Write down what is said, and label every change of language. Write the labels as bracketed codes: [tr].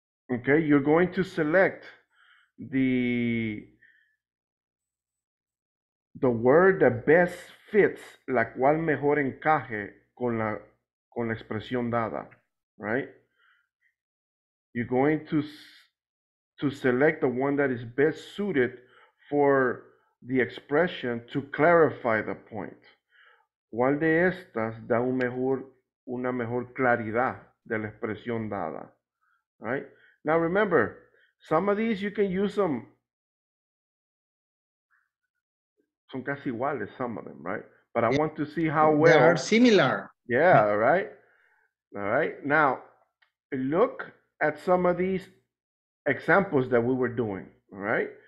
[en] Okay, you're going to select the word that best fits, [es] la cual mejor encaje con la expresión dada, [en] right? You're going to select the one that is best suited for the expression to clarify the point. [es] ¿Cuál de estas da una mejor claridad de la expresión dada? [en] Right? Now remember, some of these you can use them [es] son casi iguales, [en] some of them, right? But I want to see how well. They are similar. Yeah, right? All right. Now, look at some of these examples that we were doing, all right?